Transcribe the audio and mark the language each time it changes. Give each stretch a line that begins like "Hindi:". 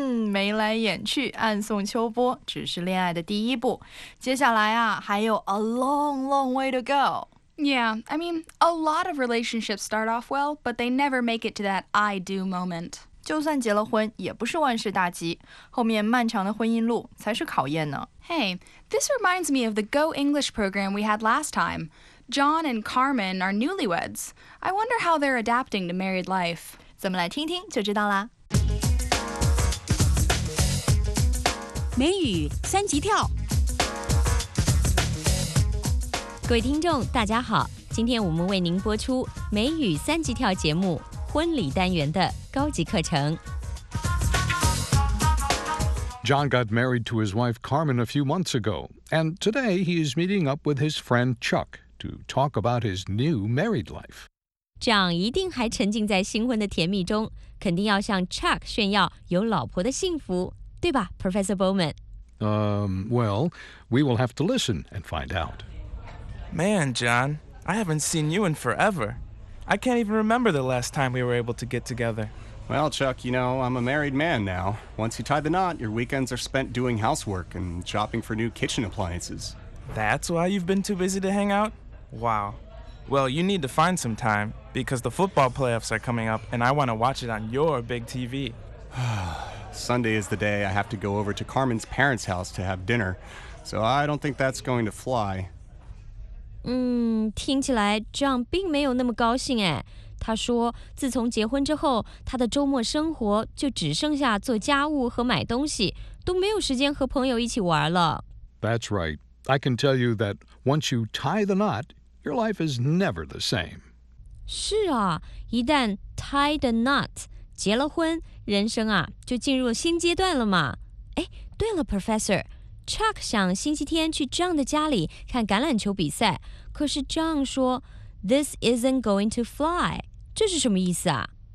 Chinese: 眉来眼去，暗送秋波，只是恋爱的第一步。接下来啊，还有
English: a long, long way to go。 Yeah, I mean, a lot of relationships start off well, but they never make it to that I do moment.
Chinese: 就算结了婚，也不是万事大吉，后面漫长的婚姻路才是考验呢。
English: Hey, this reminds me of the Go English program we had last time. John and Carmen are newlyweds. I wonder how they're adapting to married life.
Chinese: 咱们来听听就知道啦。美语三级跳。各位听众大家好，今天我们为您播出美语三级跳节目婚礼单元的高级课程。
English: John got married to his wife Carmen a few months ago, and today he is meeting up with his friend Chuck to talk about his new married life.
Chinese: John 一定还沉浸在新婚的甜蜜中，肯定要向 Chuck 炫耀有老婆的幸福，对吧 Professor Bowman?
English: Well, we will have to listen and find out. Man, John, I haven't seen you in forever. I can't even remember the last time we were able to get together. Well, Chuck, you know, I'm a married man now. Once you tie the knot, your weekends are spent doing housework and shopping for new kitchen appliances. That's why you've been too busy to hang out? Wow. Well, you need to find some time, because the football playoffs are coming up, and I want to watch it on your big TV. Sunday is the day I have to go over to Carmen's parents' house to have dinner, so I don't think that's going to fly.
Chinese: 听起来 John 并没有那么高兴哎。他说自从结婚之后，他的周末生活就只剩下做家务和买东西，都没有时间和朋友一起玩了。
English: That's right. I can tell you that once you tie the knot, your life is never the same.
Chinese: 是啊，一旦
English: tie the knot,
Chinese: 结了婚，人生啊，就进入新阶段了嘛。哎，对了 Professor,Chuck 想星期天去 John 的家里看橄榄球比赛，可是 John 说
English: This isn't going to fly.
Chinese: 这是什么意思啊？